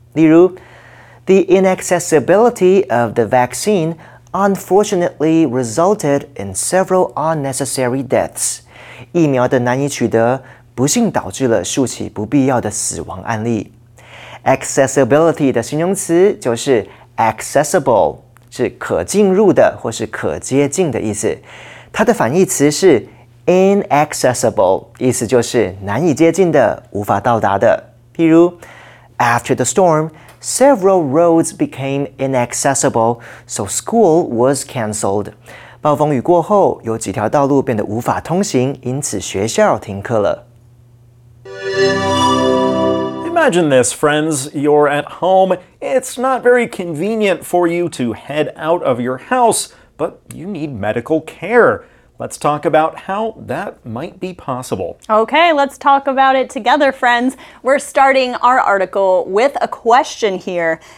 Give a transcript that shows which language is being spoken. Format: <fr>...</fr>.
<zh>例如</zh> <en>The inaccessibility of the vaccineUnfortunately, resulted in several unnecessary deaths.</en> <zh>疫苗的难以取得，不幸导致了数起不必要的死亡案例。 Accessibility 的形容词就是 accessible, 是可进入的或是可接近的意思。它的反义词是 inaccessible, 意思就是难以接近的，无法到达的。譬如</zh> <en>After the storm,Several roads became inaccessible, so school was cancelled.</en> <zh>暴风雨过后，有几条道路变得无法通行，因此学校停课了。</zh> <en>Imagine this, friends. You're at home. It's not very convenient for you to head out of your house, but you need medical care. Let's talk about how that might be possible. Okay, let's talk about it together, friends. We're starting our article with a question here.</en>